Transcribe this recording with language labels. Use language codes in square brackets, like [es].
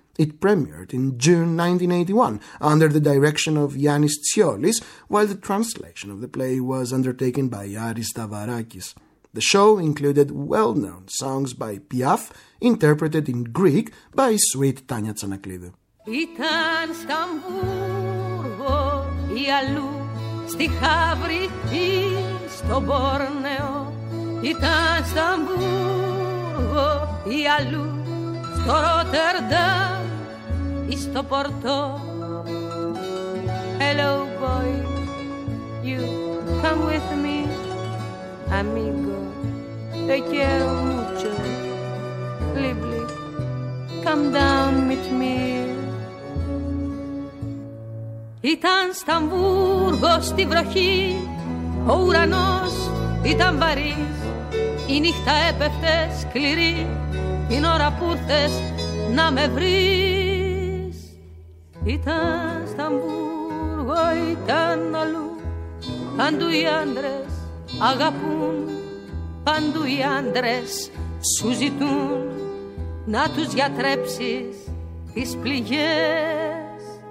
[en] It premiered in June 1981 under the direction of Yannis Tsiolis, while the translation of the play was undertaken by Aris Tavarakis. The show included well-known songs by Piaf, interpreted in Greek by sweet Tania Tsanaklidou. [el] Ήταν Σταμβούργο ή αλλού, στη Χαβρή ή στο Μπόρνεο. Ήταν Σταμβούργο ή αλλού, στο Ρότερνταμ ή στο Πορτό. [en] Hello boy, you come with me, amigo, [es] te quiero mucho, [en] Libli, come down with me. [el] Ήταν Σταμβούργο στη βροχή, ο ουρανός ήταν βαρύς, η νύχτα έπεφτε σκληρή, την ώρα που ήρθες να με βρεις. Ήταν Σταμβούργο, ήταν αλλού, παντού οι άντρες αγαπούν, παντού οι άντρες σου ζητούν να τους γιατρέψεις τις πληγές.